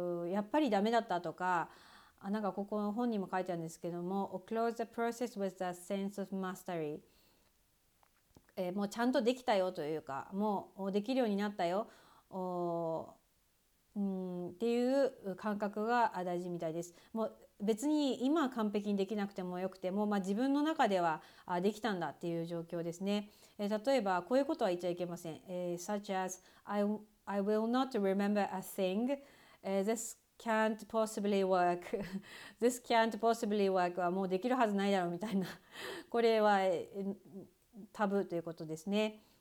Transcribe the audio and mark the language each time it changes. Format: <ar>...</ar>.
<ja>やっぱりダメだったとか、なんかここの本にも書いてあるんですけども、</ja> <en>Close the process with a sense of mastery</en> <ja>もうちゃんとできたよというか、もうできるようになったよっていう感覚が大事みたいです。もう別に今完璧にできなくてもよくても、自分の中ではできたんだっていう状況ですね。例えばこういうことは言っちゃいけません。</ja> <en>Such as I will not remember a thing. This can't possibly work. This can't possibly work.</en> <ja>はもうできるはずないだろうみたいな。これはタブーということですね。</ja>